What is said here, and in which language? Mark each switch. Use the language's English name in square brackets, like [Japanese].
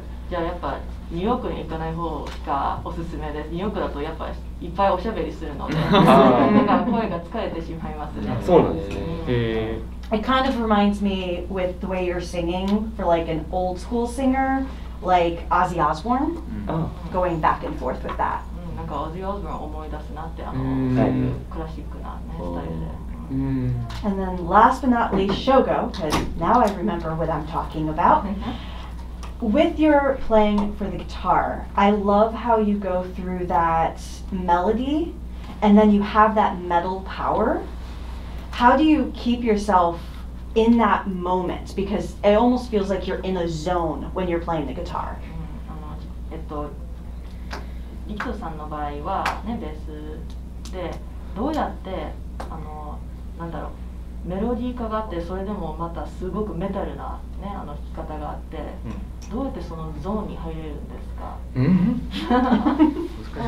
[Japanese] じゃあやっぱニューヨークに行かない方がおすすめです。ニューヨークだとやっぱいっぱいおしゃべりするので、だから声が疲れてしまいますね。そうなんですね。 [English] It kind of reminds me with the way you're singing for like an old school singer, like Ozzy Osbourne, going back and forth with that. [Japanese] なんか Ozzy Osbourne を思い出すなって、あのクラシックなスタイルで。 [English] And then last but not least, Shogo, because now I remember what I'm talking about. With your playing for the guitar, I love how you go through that melody and then you have that metal power. How do you keep yourself in that moment? Because it almost feels like you're in a zone when you're playing the guitar. [Japanese] Rikito-san の場合は、ね、ベースで、どうやって、あの、なんだろう、メロディー化があって、それでもまたすごくメタルな、ね、あの弾き方があって、うん、どうやってそのゾーンに入れるんですか？